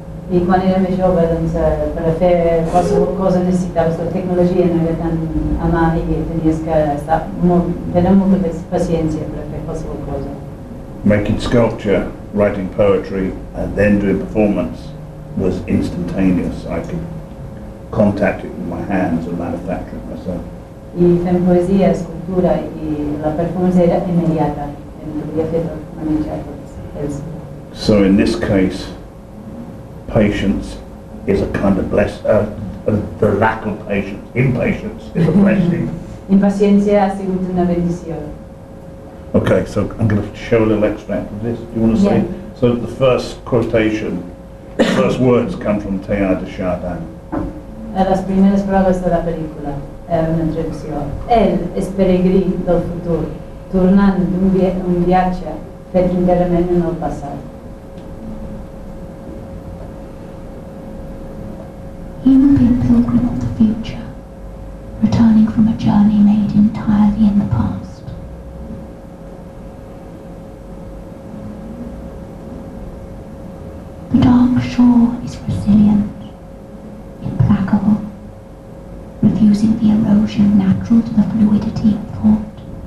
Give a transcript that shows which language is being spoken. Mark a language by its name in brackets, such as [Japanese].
[Catalan] I quan era més jove, doncs, per a fer qualsevol cosa necessitaves la tecnologia, no era tan a mà i tenies que tenir molta paciència per a fer qualsevol cosa. [English] Making sculpture, writing poetry, and then doing performance was instantaneous. I could contact it with my hands and manufacture it myself. [Catalan] I fent poesia, escultura i la performance era immediata. Em podia fer tot, manejar tot. [English] So in this case, patience is a kind of blessing, the lack of patience, impatience is a blessing. [Spanish] Impaciencia ha sigut una bendición. [English] Okay, so I'm going to show a little extract of this. Do you want to say? So the first quotation, the first words come from Teilhard de Chardin. [Spanish] Las primeras palabras de la película, una traducción. Él es peregrí del futuro, tornando de un viaje [Catalan] fet enterament en el passat. [English] He will be a pilgrim of the future, returning from a journey made entirely in the past. The dark shore is resilient, implacable, refusing the erosion natural to the fluidity of thought.